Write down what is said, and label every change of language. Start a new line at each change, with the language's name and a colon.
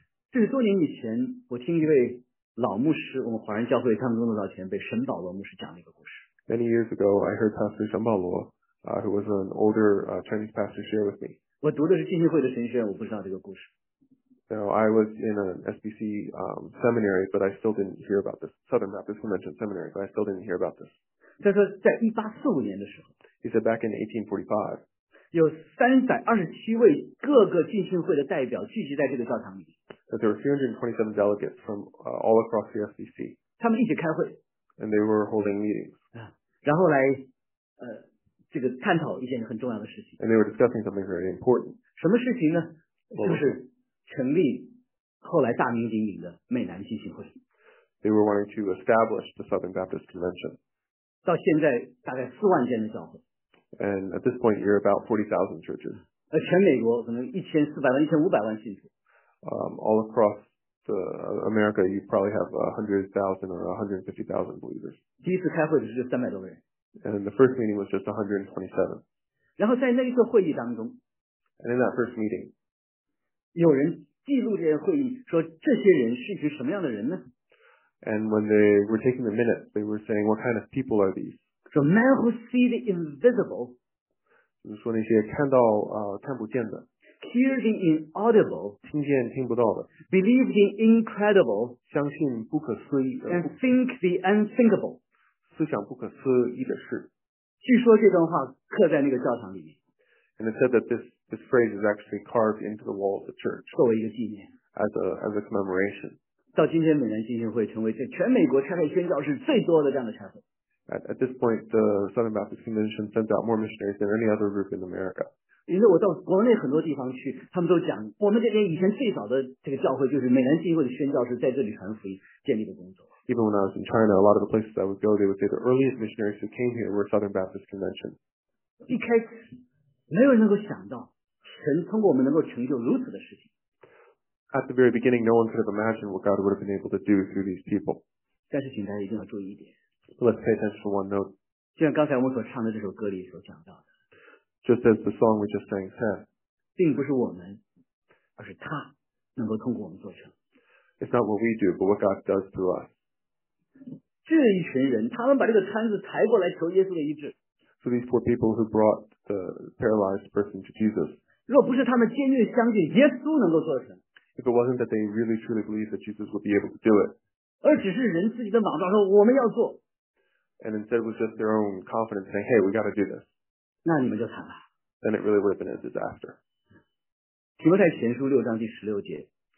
Chinese: 这是多年以前我听一位老牧师，我们华人教会他们中的老前辈沈保罗牧师讲了一个故事。
English: Many years ago, I heard Pastor 沈保罗 who was an older Chinese pastor, share with me.
Chinese: 我读的是浸信会的神学院，我不知道这个故事。
English: So I was in an SBC seminary, but I still didn't hear about this. Southern Baptist Convention Seminary, but I still didn't hear about this.
Chinese: 他说在1845年的时候。
English: He said back in 1845.
Chinese: 有327位各个浸信会的代表聚集在这个教堂里。
English: That there were 327 delegates from all across the SBC.
Chinese: 他们一起开会。
English: And they were holding meetings.
Chinese: 然后来这个探讨一件很重要的事情。
English: And they were discussing something very important.
Chinese: 什么事情呢？就是成立后来大名鼎鼎的美南浸信会。
English: They were wanting to establish the Southern Baptist Convention.
Chinese: 到现在大概40,000间的教会。
English: And at this point, you're about 40,000 churches.
Chinese: 全美国可能1,400,000-1,500,000信徒。
English: All across the America, you probably have 100,000 or 150,000 believers.
Chinese: 第一次开会只是300多个人。
English: And the first meeting was just 127.
Chinese: 然后在那一次会议当中。
English: And in that first meeting,
Chinese: 有人记录这些会议，说这些人是一群什么样的人呢
English: ？And when they were taking the minutes, they were saying, "What kind of people are these?" So men who see the invisible.
Chinese: 就是说那些看到看不见的。
English: Hear the inaudible.
Chinese: 听见听不到的。
English: Believe the incredible.
Chinese: 相信不可思议的。
English: And think the unthinkable.
Chinese: 思想不可思议的事。据说这段话刻在那个教堂里面。
English: And it said that this phrase is actually carved into the wall of the church.
Chinese: 作为一个纪念。
English: As a commemoration.
Chinese: 到今天美南浸信会成为全美国差派宣教士最多的这样的差派。
English: At this point, the Southern Baptist Convention sends out more missionaries than any other group in America.
Chinese: 因为我到国内很多地方去，他们都讲，我们这边以前最早的这个教会就是美南浸信会的宣教士在这里传福音建立的工作。
English: Even when I was in China, a lot of the places I would go, they would say the earliest missionaries who came here were Southern Baptist Convention.
Chinese: 一开始没有人能够想到神通过我们能够成就如此的事情。
English: At the very beginning, no one could have imagined what God would have been able to do through these people.
Chinese: 但是请大家一定要注意一点。
English: Let's pay attention to one note.
Chinese: 就像刚才我们所唱的这首歌里所讲到的。
English: Just as the song we just sang said.
Chinese: 并不是我们，而是他能够通过我们做成。
English: It's not what we do, but what God does through us.
Chinese: 这一群人，他们把这个摊子抬过来求耶稣的医治。
English: So these poor people who brought the paralyzed person to Jesus.
Chinese: 若不是他们坚定相信耶稣能够做成。
English: If it wasn't that they really truly believed that Jesus would be able to do it.
Chinese: 而只是人自己的莽撞说我们要做。
English: And instead it was just their own confidence saying, hey, we got to do this.
Chinese: 那你们就惨了。
English: Then it really would have been a disaster.
Chinese: 提摩太前书六章第十六节。